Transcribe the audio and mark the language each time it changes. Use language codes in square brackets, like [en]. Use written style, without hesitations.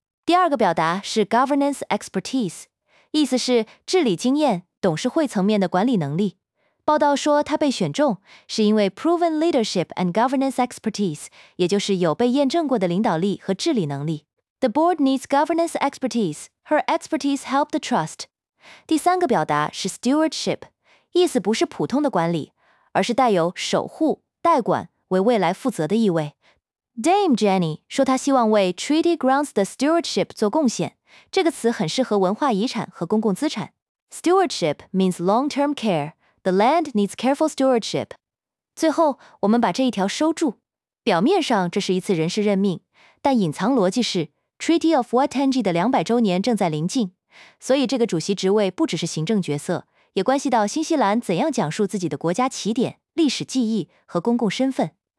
[zh] 第二个表达是 governance expertise， 意思是治理经验、董事会层面的管理能力。报道说他被选中是因为 [en] proven leadership and governance expertise， [zh] 也就是有被验证过的领导力和治理能力。 [en] The board needs governance expertise. Her expertise helped the trust. [zh] 第三个表达是 stewardship， 意思不是普通的管理，而是带有守护、代管、为未来负责的意味。 Dame Jenny 说她希望为 Treaty Grounds 的 stewardship 做贡献，这个词很适合文化遗产和公共资产。 [en] Stewardship means long-term care. The land needs careful stewardship. [zh] 最后，我们把这一条收住。表面上这是一次人事任命，但隐藏逻辑是 Treaty of Waitangi 的200周年正在临近，所以这个主席职位不只是行政角色，也关系到新西兰怎样讲述自己的国家起点、历史记忆和公共身份。